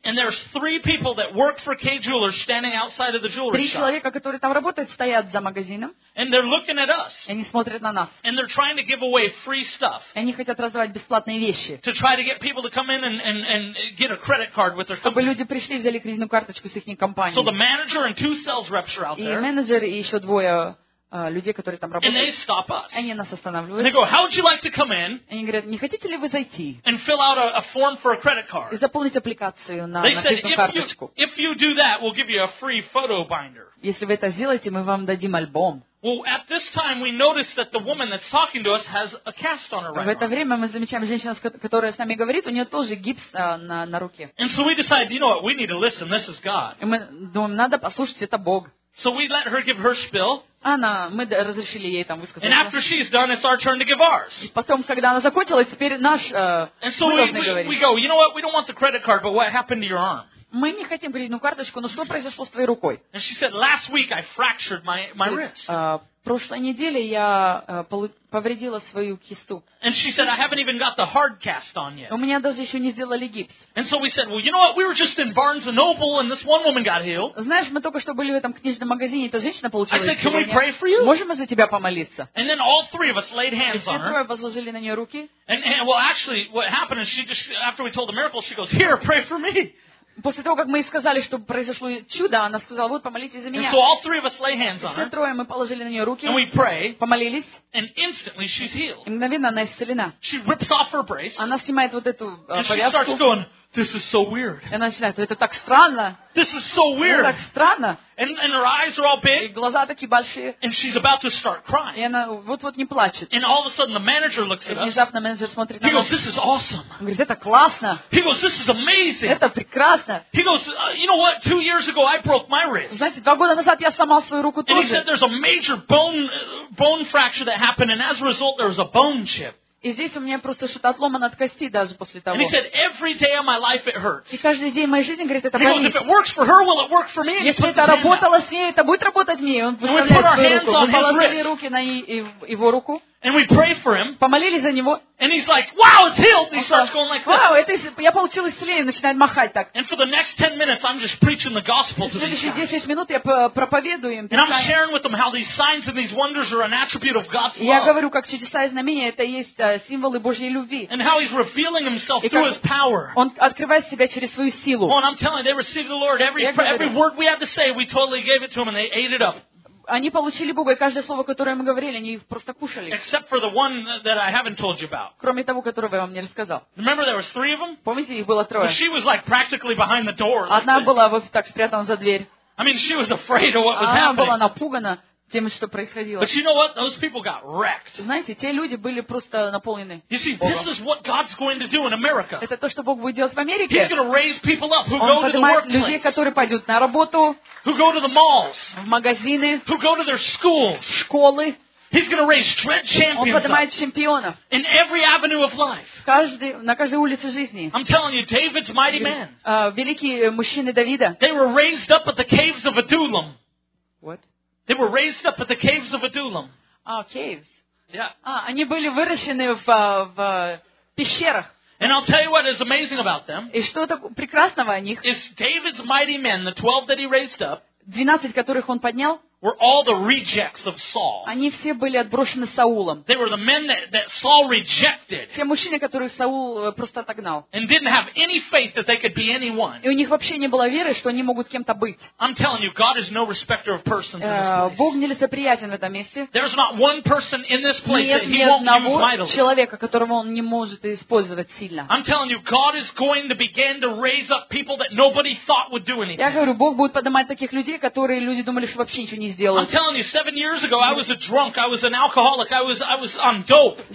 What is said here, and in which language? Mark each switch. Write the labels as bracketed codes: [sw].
[en] And there's three people that work for K Jewelers standing outside of the jewelry shop. [ru] Три человека, которые там работают, стоят за магазином. [en] And they're looking at us. [ru] И они смотрят на нас. [en] And they're trying to give away free stuff. [ru] И они хотят раздавать бесплатные вещи. [en] To try to get people to come in and get a credit card with their company. [ru] Чтобы люди пришли и взяли кредитную карточку с их компанией. [en] So the manager and two sales reps are out there. [ru] И менеджер и еще двое. Людей, которые там работают, [en] and they stop us. [ru] Они нас останавливают. [en] And they go, "How would you like to come in?" [ru] Они говорят, не хотите ли вы зайти? [en] And fill out a form for a credit card. [ru] И заполнить аппликацию на кредитную карточку. [en] They said, "If you do that, we'll give you a free photo binder." [ru] Если вы это сделаете, мы вам дадим альбом. [en] Well, at this time, we notice that the woman that's talking to us has a cast on her right arm. [ru] В это время мы замечаем женщину, которая с нами говорит, у нее тоже гипс на руке. [en] And so we decide, you know what? We need to listen. This is God. [ru] И мы думаем, надо послушать, это Бог. [en] So we let her give her spill. [ru] Она, мы разрешили ей там высказать. [en] And after she's done, it's our turn to give ours. [ru] И потом, когда она закончила, теперь наш, [en] and so we go, "You know what? We don't want the credit card, but what happened to your arm?" [ru] Мы не хотим кредитную карточку, но что произошло с твоей рукой? [en] And she said, "Last week I fractured my wrist." [ru] прошлой неделе я повредила свою кисту. [en] And she said, I haven't even got the hard cast on yet. [ru] У меня даже еще не сделали гипс. [en] And so we said, well, you know what? We were just in Barnes and Noble, and this one woman got healed. [ru] Знаешь, мы только что были в этом книжном магазине, и эта женщина получила исцеление. [en] I said, can we pray for you? [ru] Можем мы за тебя помолиться? [en] And then all three of us laid hands on her. [ru] И все трое возложили на нее руки. [en] And well, actually, what happened is she just after we told the miracle, she goes, here, pray for me. [ru] После того, как мы ей сказали, что произошло чудо, она сказала, вот, помолитесь за меня. [en] So all three of us lay hands on her. [ru] Все трое мы положили на нее руки, [en] and we pray, [ru] помолились, [en] and instantly she's healed. [ru] И мгновенно она исцелена. [en] She rips off her brace, [ru] она снимает вот эту повязку. [en] She starts going, this is so weird. [ru] И она начинает, это так странно. [en] This is so weird. [ru] Это так странно. [en] And her eyes are all big, [ru] и глаза такие большие. [en] And she's about to start crying. [ru] И она вот-вот не плачет. [en] And all of a sudden the manager looks at us. [ru] И внезапно менеджер смотрит на нас. [en] He goes, this is awesome. [ru] Он говорит, это классно. [en] He goes, this is amazing. [ru] Это прекрасно. [en] He goes, you know what? 2 years ago I broke my wrist. [ru] Знаете, 2 года назад я сломал свою руку тоже. [en] And he said, there's a major bone fracture that happened, and as a result there was a bone chip. [ru] И здесь у меня просто что-то отломано от кости даже после того. [en] And he said, every day of my life it hurts. [ru] И каждый день моей жизни, говорит, это болит. [en] He goes, if it works for her, will it work for me? [ru] Если это работало с ней, это будет работать мне. Он выставляет свою руку. Мы положили руки на его руку. [en] And we pray for him. [ru] Помолились за него. [en] And he's like, wow, it's healed. And he starts going like this. [ru] Вау, это я получил исцеление, начинает махать так. [en] And for the next 10 minutes, I'm just preaching the gospel to these guys. [ru] Следующие 10 минут я проповедую им. [en] And I'm sharing with them how these signs and these wonders are an attribute of God's love. [ru] Я говорю, как чудеса и знамения, это есть символы Божьей любви. [en] And how he's revealing himself through his power. [ru] Он открывает себя через свою силу. [en] Oh, and I'm telling you, they received the Lord. Every word we had to say, we totally gave it to him, and they ate it up. [ru] Они получили Бога, и каждое слово, которое мы говорили, они просто кушали. [en] Except for the one that I haven't told you about. [ru] Кроме того, которого я вам не рассказал. [en] Remember, there was three of them? [ru] Помните, их было трое? [en] She was like practically behind the door. [ru] Одна была вот так спрятана за дверь. [en] I mean, she was afraid of what was happening. [ru] Она была напугана тем, что происходило. [en] But you know what? Those people got wrecked. [ru] Знаете, те люди были просто наполнены. [en] You see, this is what God's going to do in America. [ru] Это то, что Бог будет делать в Америке. [en] He's going to raise people up who go to the workplace. [ru] Он поднимает людей, которые пойдут на работу. [en] Who go to the malls. [ru] В магазины. [en] Who go to their schools. [ru] Школы. [en] He's going to raise dread champions. [ru] Он поднимает чемпионов. [en] In every avenue of life. [ru] На каждой улице жизни. [en] I'm telling you, David's mighty man. [ru] Великие мужчины Давида. [en] They were raised up at the caves of Adullam. What? They were raised up at the caves of Adullam. Ah, caves. Yeah. [ru] Они были выращены в пещерах. [en] And I'll tell you what is amazing about them. [ru] И что так прекрасного о них? [en] Is David's mighty men, the 12 that he raised up. [ru] 12, которых он поднял. [en] Were all the rejects of Saul. [ru] Они все были отброшены Саулом. [en] They were the men that Saul rejected. [ru] Те мужчины, которых Саул просто отогнал. [en] And didn't have any faith that they could be anyone. [ru] И у них вообще не было веры, что они могут кем-то быть. [en] I'm telling you, God is no respecter of persons in this place. [ru] Бог не лицеприятен в этом месте. [en] There's not one person in this place [ru] нет, [en] that he won't use mightily. [ru] Нет одного человека, которого он не может использовать сильно. [en] I'm telling you, God is going to begin to raise up people that nobody thought would do anything. [ru] Я говорю, Бог будет поднимать таких людей, которые люди думали, что вообще ничего не сделать. [en] I'm telling you, 7 years ago, I was a drunk, I was an alcoholic, I was on dope.